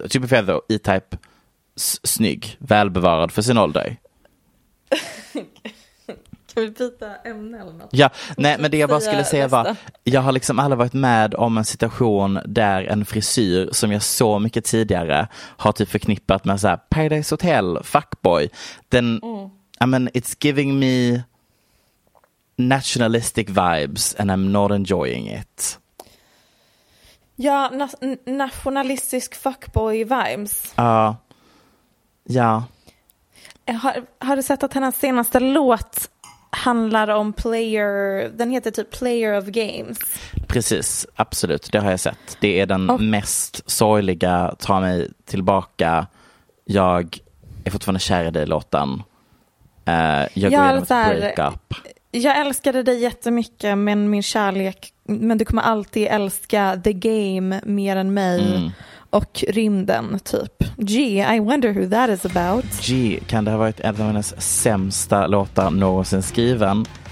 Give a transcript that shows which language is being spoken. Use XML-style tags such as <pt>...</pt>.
<sv>Typ för då, E-type, snygg, välbevarad för sin ålder. Kan vi byta ämne eller något? Ja, nej, men det jag bara skulle säga var, jag har liksom aldrig varit med om en situation där en frisyr som jag så mycket tidigare har typ förknippat med så här, Paradise Hotel, fuckboy.</sv> <en>Den, I mean, it's giving me nationalistic vibes and I'm not enjoying it.</en> <sv>Ja, nationalistisk fuckboy vibes. Ja. Ja. Har du sett att hennes senaste låt handlar om player, den heter typ Player of Games? Precis, absolut, det har jag sett. Det är den mest sorgliga, ta mig tillbaka, jag är fortfarande kär i dig låten. Jag går igenom ett breakup. Jag älskade dig jättemycket, men min kärlek, men du kommer alltid älska The Game mer än mig. Mm. Och rymden, typ.</sv> <en>Gee, I wonder who that is about.</en> <sv>Gee, kan det ha varit en av hennes sämsta låtar någonsin skriven?</sv>